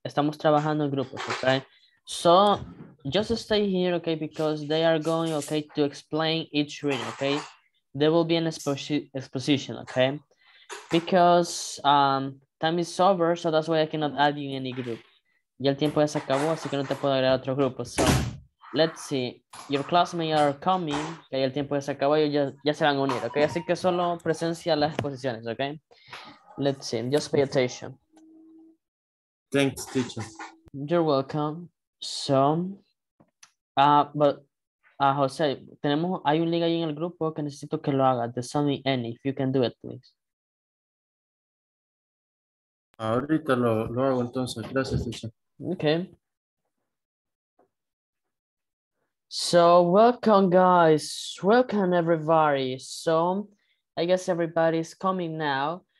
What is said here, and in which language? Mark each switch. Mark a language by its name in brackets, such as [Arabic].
[Spanish] Estamos trabajando en grupos, okay? [English] So, just stay here, okay, because they are going, okay, to explain each reading, okay? There will be an exposition, okay? Because time is over, so that's why I cannot add you in any group. [Spanish] Y el tiempo ya se acabó, así que no te puedo agregar a otro grupo. [English] So, let's see. Your classmates are coming. [Spanish] Okay, el tiempo ya se acabó y ya se van a unir, okay? Así que solo presencia las exposiciones, okay? [English] Let's see. Just pay attention. Thanks, teacher. You're welcome. [Spanish] So, Jose, hay un link ahí en el grupo que necesito que lo hagas. [English] The Sunny N, if you can do it, please. [Spanish] Ahorita lo hago entonces. Gracias, teacher. [English] Okay. So, welcome, guys. Welcome, everybody. So, I guess everybody's coming now.